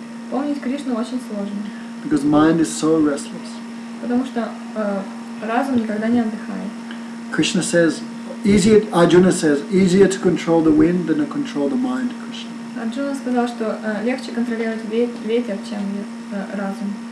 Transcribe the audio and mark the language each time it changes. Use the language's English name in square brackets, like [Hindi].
[Russian] Помнить Кришну очень сложно. [English] Because mind is so restless. [Russian] Потому что разум никогда не отдыхает. [English] Krishna says, easier, Arjuna says, easier to control the wind than to control the mind, Krishna. [Russian] Arjuna сказал, что легче контролировать ветер, чем разум.